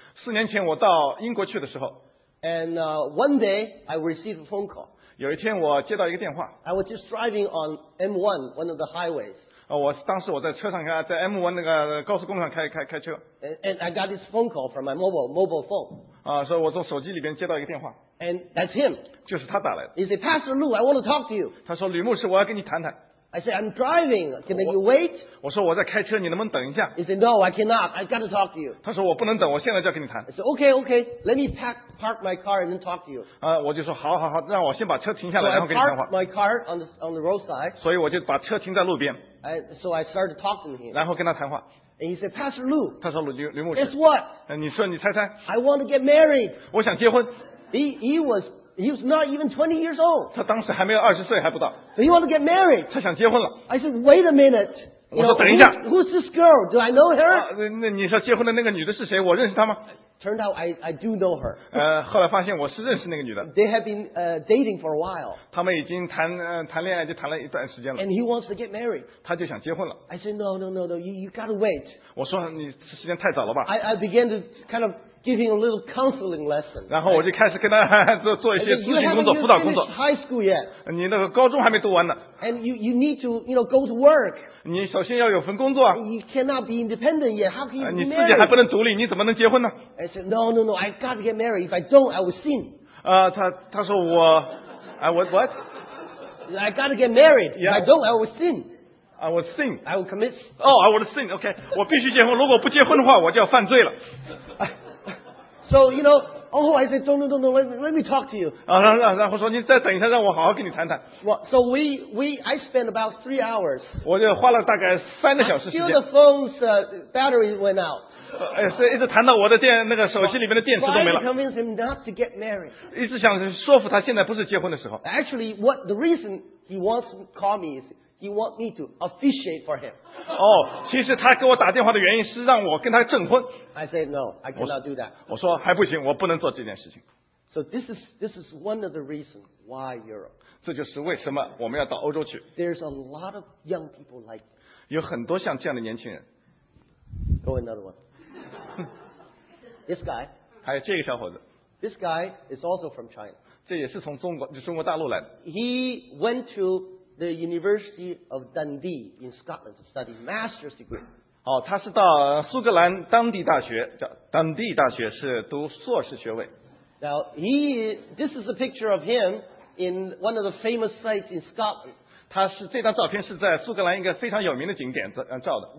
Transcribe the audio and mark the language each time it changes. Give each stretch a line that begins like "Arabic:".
Chinese: 4年前我到英国去的时候。
English: And one day I received a phone call.
Chinese: 有一天我接到一个电话。
English: I was just driving on M1, one of the highways.
Chinese: 我当时我在车上开，在 M1那个高速公路上开车。
English: And I got this phone call from my mobile phone.
Chinese: 所以我从手机里边接到一个电话。
English: And that's him.
Chinese: 就是他打来的。
English: He said, Pastor Lu, I want to talk to you.
Chinese: 他说，吕牧师，我要跟你谈谈。
English: I said, I'm driving. Can you wait?
Chinese: 我说我在开车，你能不能等一下？
English: He said, No, I cannot. I got to talk to you.
Chinese: 他说我不能等，我现在就要跟你谈。
English: I said, Okay. Let me park my car and then talk to you.
Chinese: 我就说好，让我先把车停下来，然后跟你谈话。
English: So I parked my car on the roadside.
Chinese: 所以我就把车停在路边。
English: So I started talking to him.
Chinese: 然后跟他谈话。
English: And he said, Pastor Lu.
Chinese: 他说吕牧师。
English: Guess what?
Chinese: 你说你猜猜。
English: I want to get married.
Chinese: 我想结婚。
English: He was not even 20 years old.
Chinese: 他当时还没有20岁，还不到。
English: So he wanted to get married.
Chinese: 他想结婚了。
English: I said, wait a minute.
Chinese: 我说等一下。
English: Who's this girl? Do I know her?
Chinese: 那你说结婚的那个女的是谁？我认识她吗？
English: Turned out I do know her.
Chinese: 后来发现我是认识那个女的。
English: They have been dating for a while.
Chinese: 他们已经谈恋爱就谈了一段时间了。
English: And he wants to get married.
Chinese: 他就想结婚了。
English: I said, no, you gotta wait.
Chinese: 我说你时间太早了吧。
English: I began to kind of give him a little counseling lesson.
Chinese: 然后我就开始跟他做一些咨询工作、辅导工作。
English: High school yet?
Chinese: 你那个高中还没读完呢。
English: And you need to go to work.
Chinese: 你首先要有份工作啊。
English: You cannot be independent yet. How can you marry?
Chinese: 你自己还不能独立，你怎么能结婚呢？
English: I said no. I got to get married. If I don't, I will sin.
Chinese: 他说我
English: I would what? I got to get married. If I don't, I will sin. I will sin. I will commit. Oh, I will sin.
Chinese: Okay, 我必须结婚。如果不结婚的话，我就要犯罪了。
English: So, you know, oh, I said, no, let me talk to you.
Chinese: 然后说你再等一下，让我好好跟你谈谈。
English: Well, so I spent about 3 hours.
Chinese: 我就花了大概3个小时时间。
English: Until the phone's battery went out.
Chinese: 一直谈到我的手机里面的电池都没了。
English: Trying to convince him not to get married.
Chinese: 一直想说服他现在不是结婚的时候。
English: Actually, what the reason he wants to call me is he wants me to officiate for him.
Chinese: 其实他给我打电话的原因是让我跟他证婚。
English: I said, no, I cannot do that.
Chinese: 我说还不行，我不能做这件事情。
English: So this is one of the reasons why Europe.
Chinese: 这就是为什么我们要到欧洲去。
English: There's a lot of young people like that.
Chinese: 有很多像这样的年轻人。
English: Go another one. This guy.
Chinese: 还有这个小伙子。
English: This guy is also from China.
Chinese: 这也是从中国大陆来的。
English: He went to the University of Dundee in Scotland to study master's degree.
Chinese: 他是到苏格兰当地大学，叫Dundee大学，是读硕士学位。
English: Now this is a picture of him in one of the famous sites in Scotland.
Chinese: 这张照片是在苏格兰一个非常有名的景点照的。